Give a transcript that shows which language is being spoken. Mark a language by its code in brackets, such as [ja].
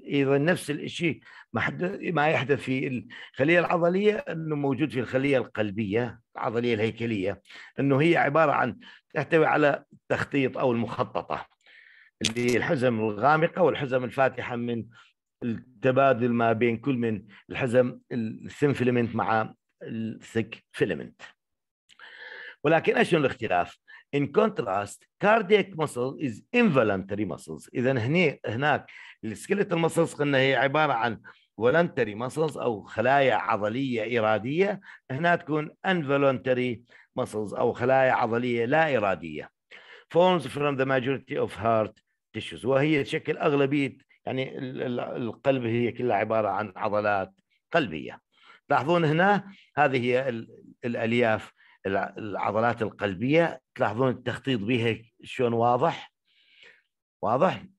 [ar] ايضا نفس الشيء ما يحدث في الخليه العضليه انه موجود في الخليه القلبيه العضليه الهيكليه، انه هي عباره عن تحتوي على التخطيط او المخططه اللي الحزم الغامقه والحزم الفاتحه من التبادل ما بين كل من الحزم الثين فيلمنت مع الثيك فيلمنت. ولكن ايش الاختلاف؟ [en] In contrast, cardiac muscle is involuntary muscles. [ar] إذا هناك skeletal muscles قلنا هي عبارة عن voluntary muscles أو خلايا عضلية إرادية، هنا تكون involuntary muscles أو خلايا عضلية لا إرادية. [en] Forms from the majority of heart tissues. [ar] وهي تشكل أغلبية يعني القلب هي كلها عبارة عن عضلات قلبية. تلاحظون هنا هذه هي الألياف العضلات القلبية، تلاحظون التخطيط بها شلون واضح؟ واضح؟